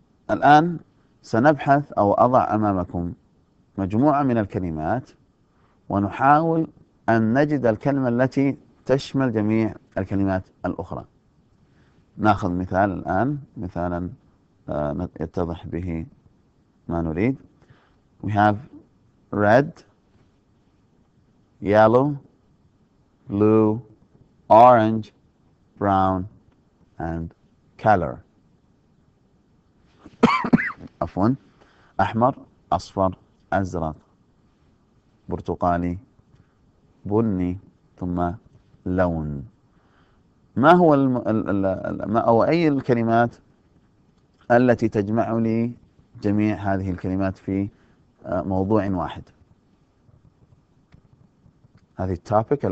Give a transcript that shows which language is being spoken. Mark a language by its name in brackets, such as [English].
[Arabic] الآن سنبحث أو أضع أمامكم مجموعة من الكلمات، ونحاول أن نجد الكلمة التي تشمل جميع الكلمات الأخرى. نأخذ مثال الآن، مثالا يتضح به ما نريد. [English] We have red, yellow, blue, orange, brown, and color. [Arabic] عفوا، أحمر، أصفر، أزرق، برتقالي، بني، ثم لون. ما هو أو أي الكلمات التي تجمع لي جميع هذه الكلمات في موضوع واحد؟ هذه التوبيك.